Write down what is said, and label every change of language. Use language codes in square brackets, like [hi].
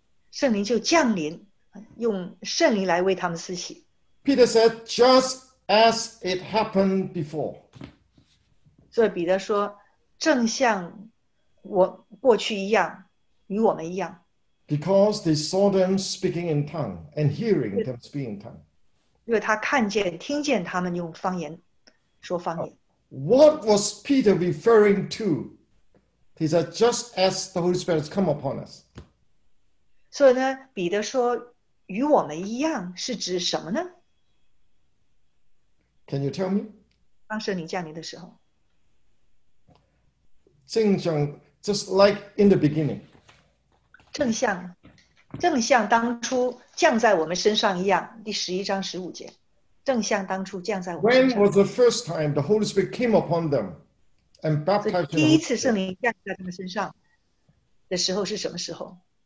[zh] 圣灵就降临，用圣灵来为他们施洗。 [en] Peter said, "Just as it happened before." [zh] 所以彼得说，正像我过去一样，与我们一样。 [en] Because they saw them speaking in tongue and hearing them speaking in tongue. [zh] 因为他看见、听见他们用方言说方言。 [en] What was Peter referring to? He said, just as the Holy Spirit has come upon us. So, [zh] 呢彼得说与我们一样是指什么呢 [en] Can you tell me? [zh] 当圣灵降临的时候。正像 [en] just like in the beginning. [zh] 正像当初降在我们身上一样第十一章十五节。正像当初降在我们身上。 [en] When was the first time the Holy Spirit came upon them and baptized them? [zh] 第一次圣灵降在他们身上的时候是什么时候